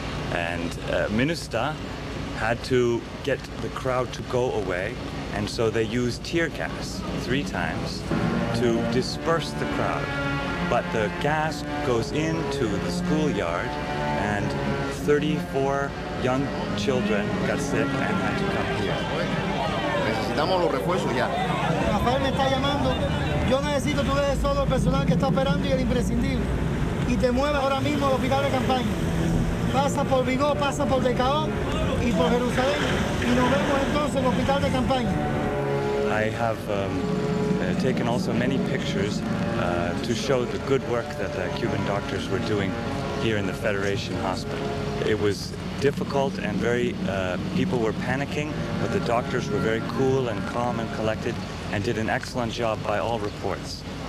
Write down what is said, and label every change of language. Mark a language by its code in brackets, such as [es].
[en] And minister had to get the crowd to go away, and so they used tear gas three times to disperse the crowd. But the gas goes into the schoolyard and 34 young children got sick and had to come here. [es] Necesitamos los refuerzos ya. Rafael me está llamando. Yo necesito que tú dejes solo el personal que está operando y el imprescindible. Y te muevas ahora mismo al hospital de campaña. Pasa por Vigo, pasa por Decaón y por Jerusalén. Y nos vemos entonces en el hospital de campaña. [en] I have taken also many pictures to show the good work that the Cuban doctors were doing here in the Federation Hospital. It was difficult and people were panicking, but the doctors were very cool and calm and collected and did an excellent job by all reports.